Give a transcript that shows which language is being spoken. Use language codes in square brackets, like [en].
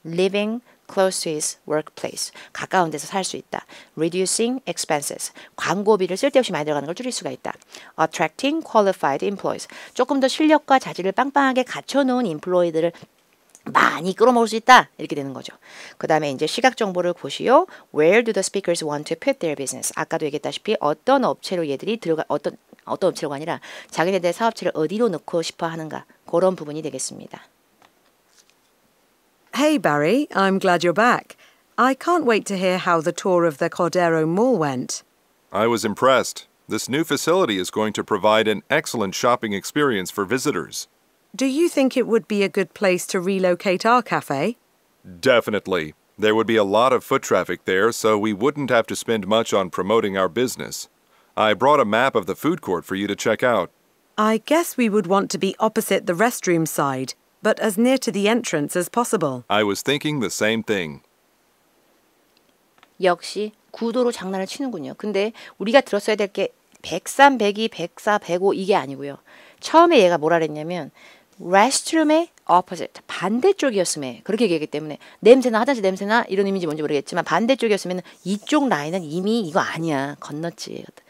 [en] Living close to his workplace, [ko] 가까운 데서 살 수 있다. [en] Reducing expenses, [ko] 광고비를 쓸데없이 많이 들어가는 걸 줄일 수가 있다. [en] Attracting qualified employees, [ko] 조금 더 실력과 자질을 빵빵하게 갖춰놓은 employee들을 많이 끌어모을 수 있다. 이렇게 되는 거죠. 그 다음에 이제 시각 정보를 보시오. [en] Where do the speakers want to put their business? [ko] 아까도 얘기했다시피 어떤 업체로 얘들이 들어가, 어떤 업체로가 아니라 자기네들 사업체를 어디로 넣고 싶어 하는가. 그런 부분이 되겠습니다. [en] Hey, Barry, I'm glad you're back. I can't wait to hear how the tour of the Cordero Mall went. I was impressed. This new facility is going to provide an excellent shopping experience for visitors. Do you think it would be a good place to relocate our cafe? Definitely. There would be a lot of foot traffic there, so we wouldn't have to spend much on promoting our business. I brought a map of the food court for you to check out. I guess we would want to be opposite the restroom side. But as near to the entrance as possible. I was thinking the same thing. [ko] 역시 구도로 장난을 치는군요. 근데 우리가 들었어야 될 게 103, 102, 104, 105 이게 아니고요. 처음에 얘가 뭐라 그랬냐면 restroom의 opposite, 반대쪽이었음에 그렇게 얘기했기 때문에 냄새나 화장실 냄새나 이런 의미인지 뭔지 모르겠지만 반대쪽이었으면 이쪽 라인은 이미 이거 아니야. 건넜지.